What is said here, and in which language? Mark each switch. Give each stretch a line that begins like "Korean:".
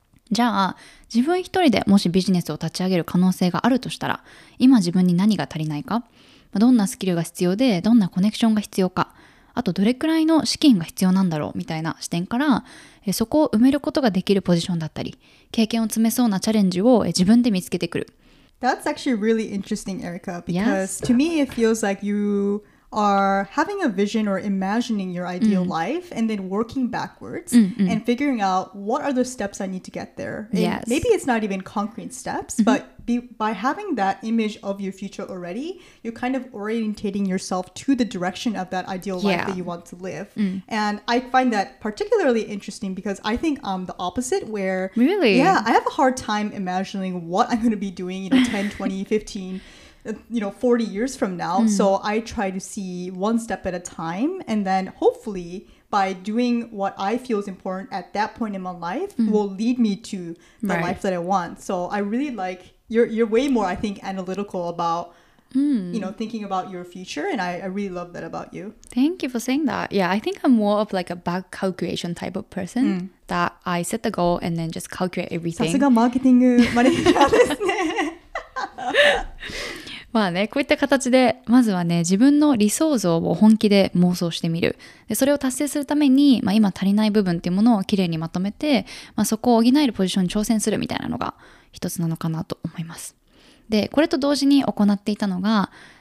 Japanese: じゃあ自分一人でもしビジネスを立ち上げる可能性があるとしたら、今自分に何が足りないか、どんなスキルが必要で、どんなコネクションが必要か、あとどれくらいの資金が必要なんだろうみたいな視点から、そこを埋めることができるポジションだったり、経験を積めそうなチャレンジを自分で見つけてくる。
English: That's actually really interesting, Erica, because to me it feels like you are having a vision or imagining your ideal life and then working backwards and figuring out what are the steps I need to get there. Yes. Maybe it's not even concrete steps, but by having that image of your future already, you're kind of orientating yourself to the direction of that ideal life that you want to live. And I find that particularly interesting because I think I'm the opposite, where really, yeah, I have a hard time imagining what I'm going to be doing, you know, 10, 20, 15, you know, 40 years from now. So I try to see one step at a time, and then hopefully by doing what I feel is important at that point in my life will lead me to the life that I want. So I really like you're way more, I think, analytical about you know, thinking about your future, and I really love that about you. Thank you for saying that. Yeah, I think I'm more of like a back calculation type of person that I set the goal and then just calculate everything.
Japanese: さすがマーケティングマネージャーですね。まあね、こういった形でまずはね自分の理想像を本気で妄想してみる。でそれを達成するために、まあ、今足りない部分っていうものをきれいにまとめて、まあ、そこを補えるポジションに挑戦するみたいなのが一つなのかなと思います。でこれと同時に行っていたのが、